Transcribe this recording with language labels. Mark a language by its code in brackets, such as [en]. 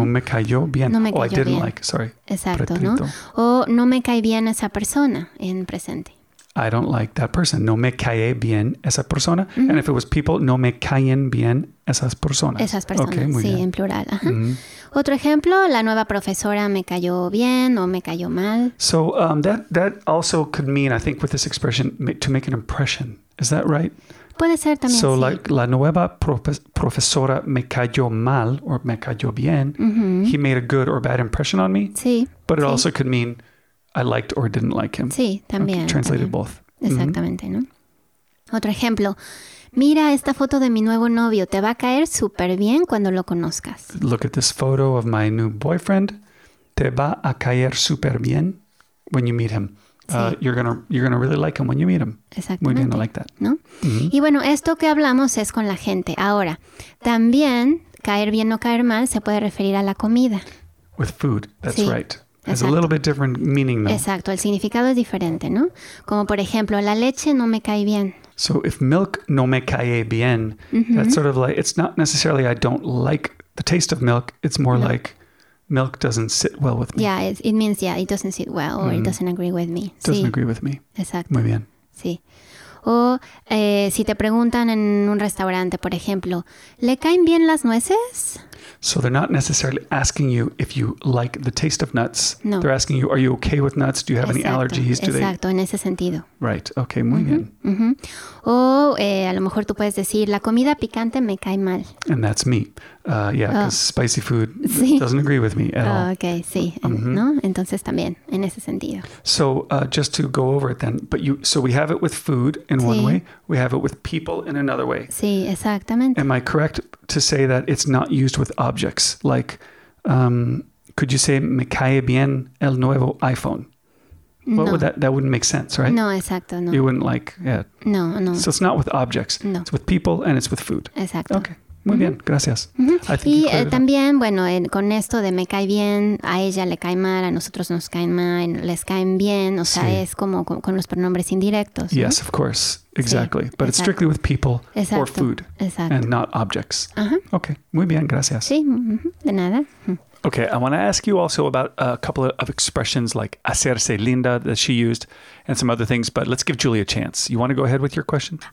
[es] No me cayó bien. No me cayó bien. [en] I didn't [es] bien. [en] Like, sorry. [es] Exacto, pretérito. ¿No? O no me cae bien esa persona en presente. [en] I don't like that person. [es] No me cae bien esa persona. Mm-hmm. [en] And if it was people, [es] no me caen bien esas personas. Esas personas, [en] okay, [es] muy sí, bien. En plural. Ajá. Mm-hmm. Otro ejemplo, la nueva profesora me cayó bien o me cayó mal. [en] So that also could mean, I think, with this expression, to make an impression. Is that right? [es] Puede ser también. [en] So, [es] sí. like, la nueva profesora me cayó mal or me cayó bien. Mm-hmm. [en] He made a good or bad impression on me. [es] Sí. [en] But it [es] sí. [en] also could mean I liked or didn't like him. [es] Sí, también. [en] Okay, translated [es] también. [en] Both. [es] Exactamente, mm-hmm. ¿no? Otro ejemplo. Mira esta foto de mi nuevo novio. Te va a caer súper bien cuando lo conozcas. [en] Look at this photo of my new boyfriend. [es] Te va a caer súper bien [en] when you meet him. [es] Sí. [en] You're gonna really like him when you meet him. [es] Exactamente. Muy bien, [en] I like that. [es] ¿No? Mm-hmm. Y bueno, esto que hablamos es con la gente. Ahora, también caer bien o caer mal se puede referir a la comida. [en] With food, that's [es] sí. [en] right. [es] Exacto. [en] It's a little bit different meaning though. [es] Exacto, el significado es diferente, ¿no? Como por ejemplo, la leche no me cae bien. [en] So if milk [es] no me cae bien, mm-hmm. [en] that's sort of like, it's not necessarily I don't like the taste of milk. It's more [es] no. [en] like, milk doesn't sit well with me. Yeah, it means, yeah, it doesn't sit well or it doesn't agree with me. Doesn't agree with me. [es] Exacto. Muy bien. Sí. O si te preguntan en un restaurante, por ejemplo, ¿le caen bien las nueces? [en] So they're not necessarily asking you if you like the taste of nuts. [es] No. [en] They're asking you, are you okay with nuts? Do you have any allergies? [es] Exacto, en ese sentido. [en] Right, okay, [es] muy bien. O a lo mejor tú puedes decir, la comida picante me cae mal. [en] And that's me. Yeah, because spicy food doesn't agree with me at all. Okay, [es] sí. ¿No? Entonces también, en ese sentido. [en] So just to go over it then, so we have it with food in one way, we have it with people in another way. Sí, exactamente. Am I correct to say that it's not used with objects? Like, could you say, [es] me cae bien el nuevo iPhone? [en] What would that wouldn't make sense, right? [es] No, exacto, no. [en] You wouldn't like, [es] No, no. [en] So it's not with objects. [es] No. [en] It's with people and it's with food. [es] Exacto. [en] Okay, [es] muy bien, gracias. [en] I think [es] y también, bueno, con esto de me cae bien, a ella le cae mal, a nosotros nos caen mal, les caen bien, o sea, es como con los pronombres indirectos. [en] Yes, of course, exactly. [es] Sí, [en] but it's strictly with people or food and not objects. Uh-huh. [es] Okay, muy bien, gracias. Sí, de nada. [en] Okay, I want to ask you also about a couple of expressions like hacerse linda that she used and some other things, but let's give Julie a chance. You want to go ahead with your question?